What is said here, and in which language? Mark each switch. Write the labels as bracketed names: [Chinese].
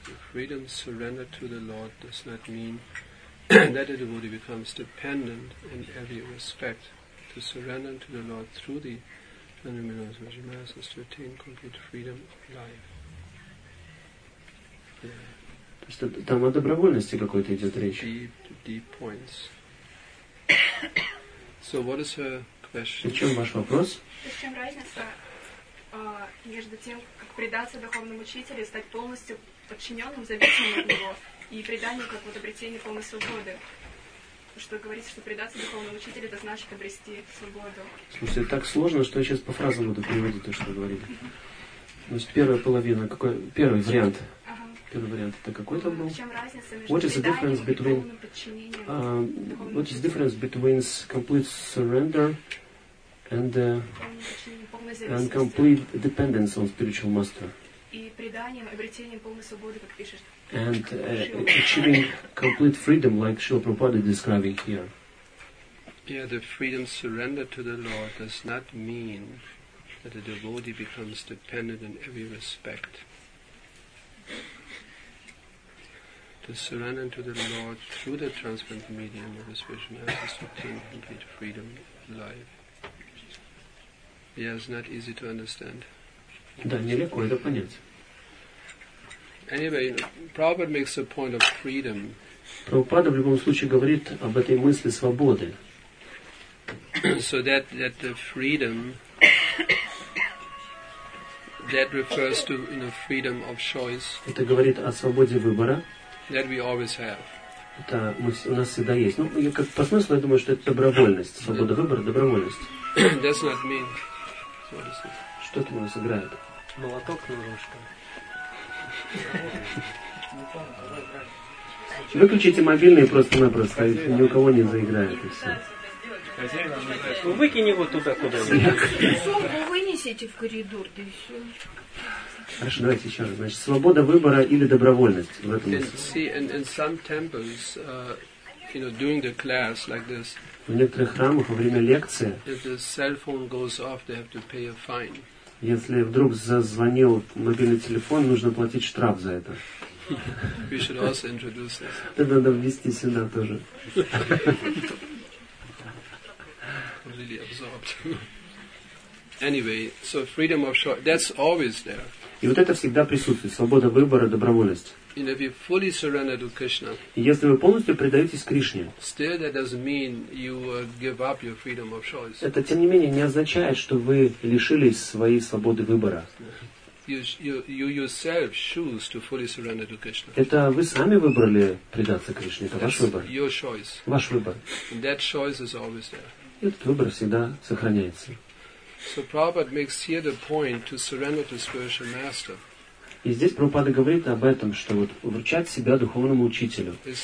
[English] The freedom, surrender to the Lord, does not mean. That a devotee becomes dependent in every respect to surrender to the Lord through the transcendental measures is to attain complete freedom of life. [Russian] То есть там о добровольности какой-то идет речь. [English] Deep points. So what is her question? [Russian] В чем ваш вопрос? В чем разница между тем, как предаться духовному учителю и стать полностью подчиненным, зависимым от него? И преданию, как вот обретение полной свободы. Что говорится, что предаться духовному учителю, это значит обрести свободу. Слушайте, это так сложно, что я сейчас по фразам буду переводить то, что вы говорили. То есть первая половина, какой первый вариант? Ага. Первый вариант, это какой там был? В чем разница между преданием и полным подчинением духовному [English] What is the difference between complete surrender and, and complete dependence on spiritual master? [Russian] И преданием, обретением полной свободы, как пишет. [English] And achieving complete freedom, like Srila Prabhupada is describing here. Yeah, the freedom surrendered to the Lord does not mean that a devotee becomes dependent in every respect. To surrender to the Lord through the transcendent medium of his vision is to obtain complete freedom of life. Yeah, it's not easy to understand. [Russian] Да, нелегко это понять. [English] Anyway, Prabhupada makes a point of freedom. [Russian] Прабхупада в любом случае говорит об этой мысли свободы. [English] So that the freedom that refers to you know freedom of choice. [Russian] Это говорит о свободе выбора. [English] That we always have. [Russian] Это у нас всегда есть. Ну, я как по смыслу я думаю, что это добровольность, свобода выбора, добровольность. [English] That's not mean. [Russian] Что это у нас играет? Молоток немножко. Выключите мобильные просто-напросто, ни у кого не заиграет, и все. Ну, выкинь его туда, куда вы. Сумку вынесите в коридор, да и все. Хорошо, давайте еще раз. Значит, свобода выбора или добровольность в этом смысле. [English] See, in some temples, you know, during the class like this, [Russian] в некоторых храмах во время лекции, [English] if the cell phone goes off, they have to pay a fine. [Russian] Если вдруг зазвонил мобильный телефон, нужно платить штраф за это. [English] We should also introduce this. [Russian] Это надо ввести сюда тоже. [English] Completely absorbed. Anyway, so freedom of choice, that's always there. [Russian] И вот это всегда присутствует, свобода выбора, добровольность. [English] And if you fully surrender to Krishna, [Russian] если вы полностью предаетесь Кришне, [English] still that doesn't mean you give up your freedom of choice. [Russian] Это тем не менее не означает, что вы лишились своей свободы выбора. [English] You yourself choose to fully surrender to Krishna. [Russian] Это вы сами выбрали предаться Кришне. Это ваш выбор. [English] Your choice. [Russian] Ваш выбор. [English] And that choice is always there. [Russian] И этот выбор всегда сохраняется. [English] So Prabhupada makes here the point to surrender to spiritual master. [Russian] И здесь Прабхупада говорит об этом, что вот вручать себя духовному учителю